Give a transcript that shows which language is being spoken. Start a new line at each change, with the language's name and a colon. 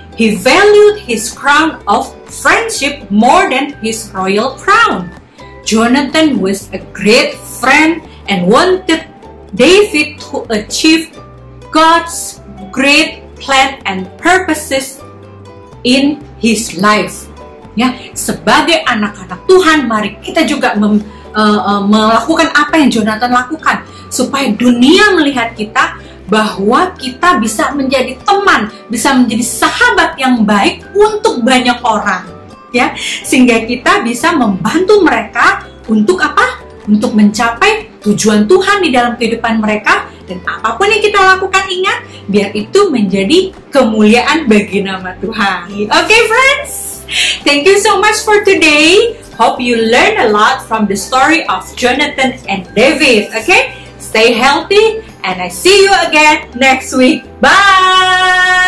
English: He valued his crown of friendship more than his royal crown. Jonathan was a great friend and wanted David to achieve God's great plan and purposes in his life.
Indonesian: Ya, sebagai anak-anak Tuhan, mari kita juga melakukan apa yang Jonathan lakukan supaya dunia melihat kita bahwa kita bisa menjadi teman, bisa menjadi sahabat yang baik untuk banyak orang, ya, sehingga kita bisa membantu mereka untuk apa? Untuk mencapai tujuan Tuhan di dalam kehidupan mereka. Dan apapun yang kita lakukan, ingat, biar itu menjadi kemuliaan bagi nama Tuhan.
English: Okay, friends, thank you so much for today. Hope you learn a lot from the story of Jonathan and David. Okay, stay healthy and I see you again next week. Bye.